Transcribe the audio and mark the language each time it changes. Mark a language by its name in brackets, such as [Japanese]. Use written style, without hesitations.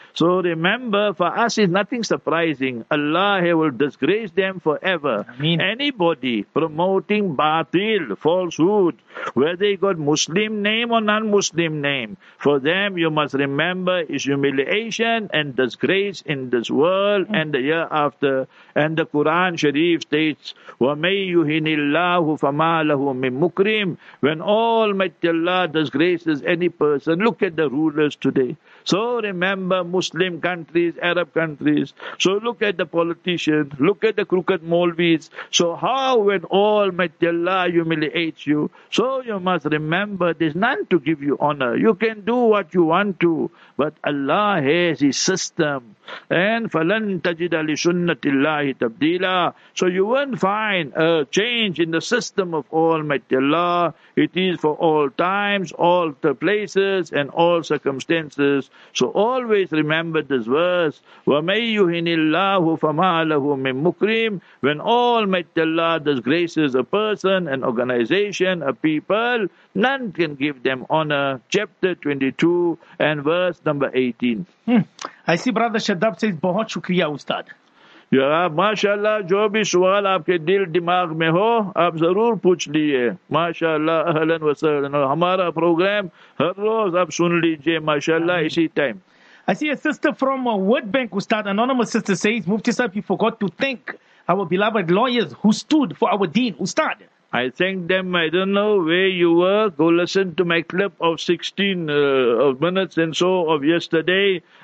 [English] So remember, for us is nothing surprising. Allah, he will disgrace them forever. Ameen. Anybody promoting batil, falsehood, whether you got Muslim name or non-Muslim name, for them, you must remember, is humiliation and disgrace in this world and the year after. And the Quran Sharif states, [Arabic] وَمَنْ يُهِنِ اللَّهُ فَمَا لَهُ مِنْ مُكْرِيمٍ. [English] When Almighty Allah disgraces any person, look at the rulers today. So remember, Muslim countries, Arab countries. So look at the politicians, look at the crooked Maulvis. So how, when Almighty Allah humiliates you? So you must remember, there's none to give you honor. You can do what you want to, but Allah has his system. [Arabic] And فَلَنْ تَجِدَ لِسُنَّةِ اللَّهِ تَبْدِيلًا. [English] So you won't find a change in the system of Almighty Allah. It is for all times, all the places, and all circumstances. So always remember this verse, [Arabic] وَمَنْ يُهِنِ اللَّهُ فَمَا لَهُ مِنْ مُكْرِيمٍ. [English] When Almighty Allah disgraces a person, an organization, a people, none can give them honor. Chapter 22 and verse number 18. I see Brother Shaddab says, [Urdu] بہت شکریہ استاد. Yeah, mashallah, جو بھی سوال آپ کے دل دماغ میں ہو آپ ضرور پوچھ لیے. Mashallah, [Arabic] ahlan wa sahlan. [Urdu] ہمارا پروگرام ہر روز آپ سن لیجئے. Mashallah, اسی time. [English] I see a sister from a World Bank, Ustad, anonymous sister says, Mufti sahab, you forgot to thank our beloved lawyers who stood for our deen, Ustad. I thank them. I don't know where you were. Go listen to my clip of 16 of minutes and so of yesterday.